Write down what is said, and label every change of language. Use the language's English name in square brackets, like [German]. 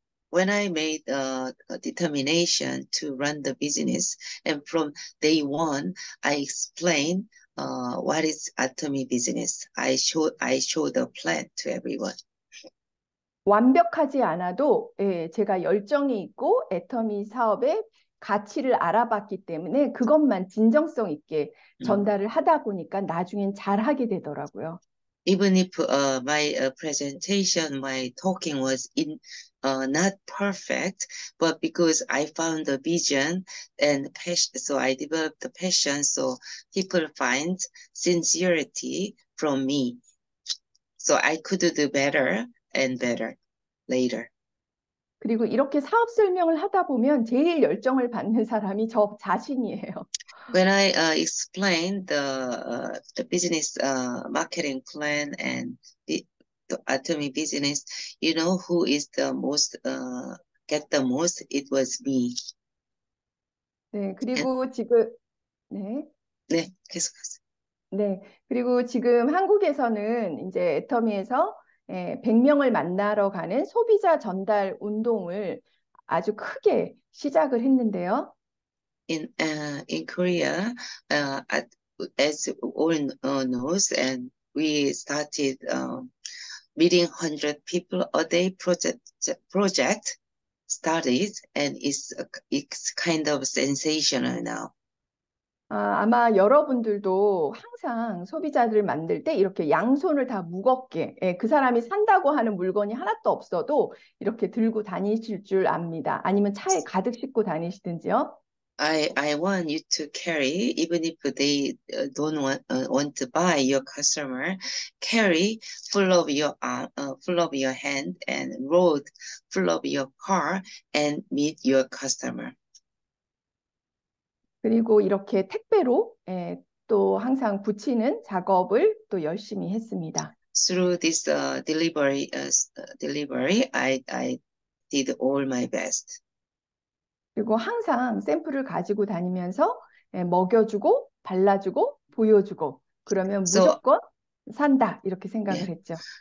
[English] When I made a determination to run the business, and from day one, I explained what is Atomy business. I showed the plan to everyone. [Korean] 완벽하지 않아도 예, 제가 열정이 있고 애터미 사업의 가치를 알아봤기 때문에 그것만 진정성 있게 전달을 하다 보니까 나중엔 잘하게 되더라고요. [English] Even if my presentation, my talking was not perfect, but because I found the vision and passion, so I developed the passion, so people find sincerity from me. So I could do better and better later. [Korean] 그리고 이렇게 사업 설명을 하다 보면 제일 열정을 받는 사람이 저 자신이에요. [English] When I explained the business marketing plan and the Atomy business, you know who is the most get the most? It was me. [Korean] 네, 그리고 지금 네. 네, 계속하세요. 네, 그리고 지금 한국에서는 이제 애터미에서 예, 100명을 만나러 가는 소비자 전달 운동을 아주 크게 시작을 했는데요. [English] In Korea, as all knows, and we started meeting 100 people a day project started, and it's kind of sensational now. [Korean] 아마 여러분들도 항상 소비자들을 만들 때 이렇게 양손을 다 무겁게, 예, 그 사람이 산다고 하는 물건이 하나도 없어도 이렇게 들고 다니실 줄 압니다. 아니면 차에 가득 싣고 다니시든지요. [English] I want you to carry, even if they don't want to buy your customer, carry full of your hand and road full of your car and meet your customer. [Korean] 그리고 이렇게 택배로 예, 또 항상 붙이는 작업을 또 열심히 했습니다. [English] Through this delivery, I did all my best. [Korean] 그리고 항상 샘플을 가지고 다니면서 예, 먹여주고 발라주고 보여주고 그러면 [English] So, [Korean] 무조건 산다 이렇게 생각을 했죠.